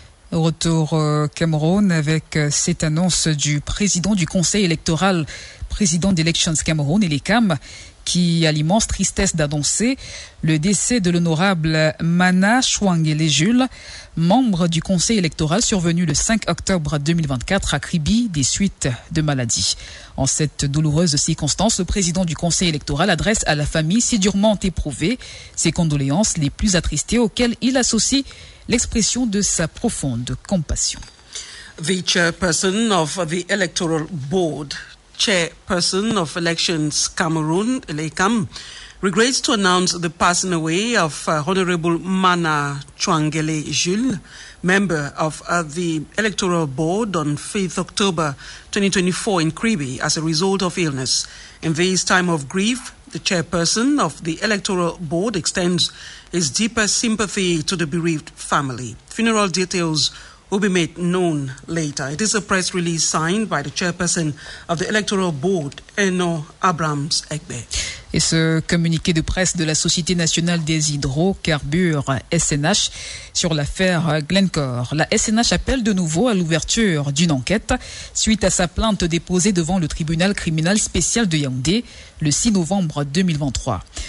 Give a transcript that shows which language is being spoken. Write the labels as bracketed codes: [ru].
[fr] Retour au Cameroun avec cette annonce du président du Conseil électoral, président d'Elections Cameroun et les CAM, qui a l'immense tristesse d'annoncer le décès de l'honorable Mana Chouangélé-Jules, membre du Conseil électoral survenu le 5 octobre 2024 à Kribi des suites de maladie. En cette douloureuse circonstance, le président du Conseil électoral adresse à la famille si durement éprouvée ses condoléances les plus attristées auxquelles il associe l'expression de sa profonde compassion. [en] The chairperson of the Electoral Board, chairperson of Elections Cameroon, ELECAM, regrets to announce the passing away of Honorable Mana Chouangélé-Jules, member of the Electoral Board on 5th October 2024 in Kribi as a result of illness. In this time of grief, the chairperson of the Electoral Board extends his deepest sympathy to the bereaved family. Funeral details will be made known later. It is a press release signed by the chairperson of the Electoral Board, Eno Abrams Egbe. [fr] Et ce communiqué de presse de la Société nationale des hydrocarbures, SNH, sur l'affaire Glencore. La SNH appelle de nouveau à l'ouverture d'une enquête suite à sa plainte déposée devant le tribunal criminel spécial de Yaoundé le 6 novembre 2023.